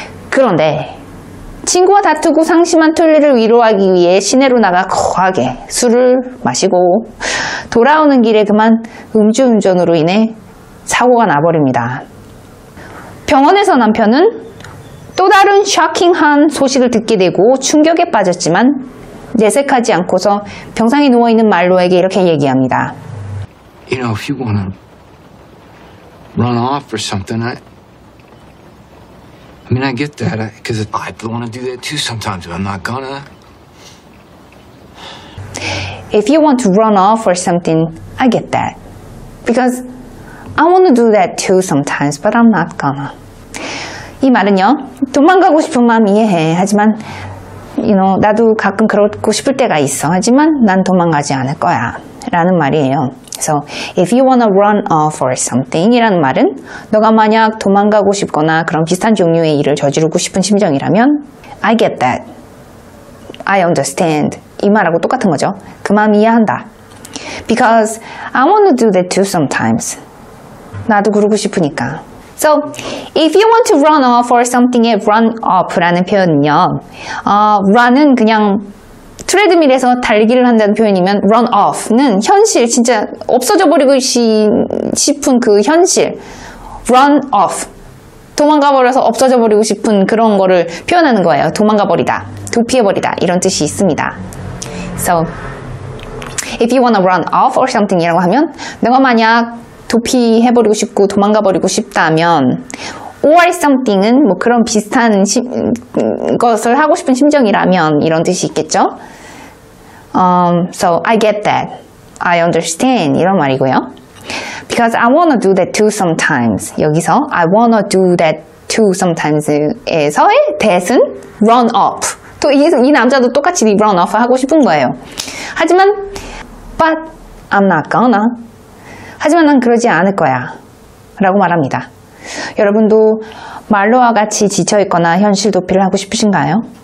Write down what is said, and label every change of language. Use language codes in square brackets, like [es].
[ko] 그런데 친구와 다투고 상심한 툴리를 위로하기 위해 시내로 나가 거하게 술을 마시고 돌아오는 길에 그만 음주운전으로 인해 사고가 나버립니다. 병원에서 남편은 또 다른 샤킹한 소식을 듣게 되고 충격에 빠졌지만 내색하지 않고서 병상에 누워있는 말로에게 이렇게 얘기합니다. [en] You know, if you wanna run off or something, I mean, I get that. Because I wanna do that too sometimes, but I'm not gonna. If you want to run off or something, I get that. Because I wanna do that too sometimes, but I'm not gonna. [ko] 이 말은요, 도망가고 싶은 마음 이해해. 하지만, [en] you know, [ko] 나도 가끔 그러고 싶을 때가 있어. 하지만 난 도망가지 않을 거야. 라는 말이에요. [en] So, if you wanna run off or something [ko] 이라는 말은 너가 만약 도망가고 싶거나 그런 비슷한 종류의 일을 저지르고 싶은 심정이라면 [en] I get that. I understand. [ko] 이 말하고 똑같은 거죠. 그 마음 이해한다. [en] Because I wanna do that too sometimes. [ko] 나도 그러고 싶으니까. [en] So, if you want to run off or something의 run up라는 [ko] 표현은요. run은 그냥 트레드밀에서 달리기를 한다는 표현이면 run off는 현실, 진짜 없어져 버리고 싶은 그 현실. [en] run off. [ko] 도망가 버려서 없어져 버리고 싶은 그런 거를 표현하는 거예요. 도망가 버리다, 도피해 버리다 이런 뜻이 있습니다. [en] So, if you want to run off or something [ko] 이라고 하면 너가 만약 도피해버리고 싶고 도망가버리고 싶다면 or something은 뭐 그런 비슷한 것을 하고 싶은 심정이라면 이런 뜻이 있겠죠. [en] So I get that. I understand. [ko] 이런 말이고요. [en] Because I wanna do that too sometimes. [ko] 여기서 [en] I wanna do that too sometimes에서의 that은 run off. [ko] 또 이 남자도 똑같이 run off 하고 싶은 거예요. 하지만 [en] but I'm not gonna. [ko] 하지만 난 그러지 않을 거야 라고 말합니다. 여러분도 말로와 같이 지쳐있거나 현실 도피를 하고 싶으신가요?